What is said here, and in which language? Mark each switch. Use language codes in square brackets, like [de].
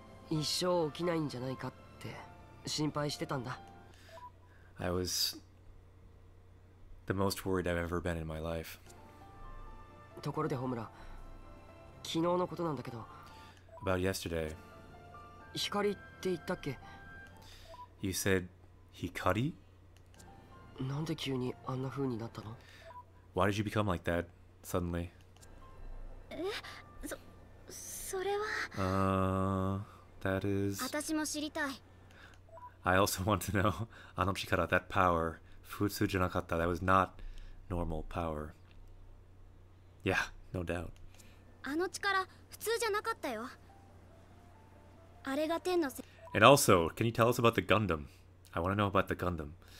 [ja] 一生起きないんじゃないかって心配してたんだ. [en] I was the most worried I've ever been in my life. [ja] ところでホムラ、昨日のことなんだけど. [en] About yesterday. [ja] 光って言ったっけ? [en] You said Hikari? [ja] なんで急にあんな風になったの? [en] Why did you become like that, suddenly? That is... [ja] 私も知りたい. [en] I also want to know, あの力, that power, 普通じゃなかった, that was not normal power. Yeah, no doubt. [ja] あの力、普通じゃなかったよ. あれが天の... [en] And also, can you tell us about the Gundam? I want to know about the Gundam.